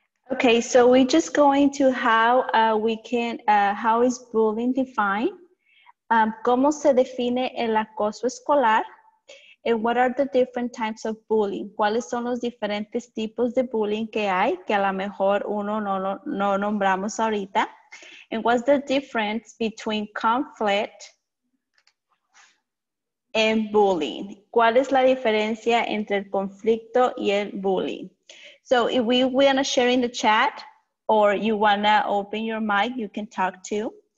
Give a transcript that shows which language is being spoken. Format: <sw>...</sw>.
<en>Okay, so we're just going to how we can, how is bullying defined?</en> <es>¿Cómo se define el acoso escolar?</es> <en>And what are the different types of bullying?</en> <es>¿Cuáles son los diferentes tipos de bullying que hay? Que a lo mejor uno no nombramos ahorita.</es> <en>And what's the difference between conflict and bullying?</en> <es>¿Cuál es la diferencia entre el conflicto y el bullying?</es> <en>So if we want to share in the chat or you want to open your mic, you can talk too.</en>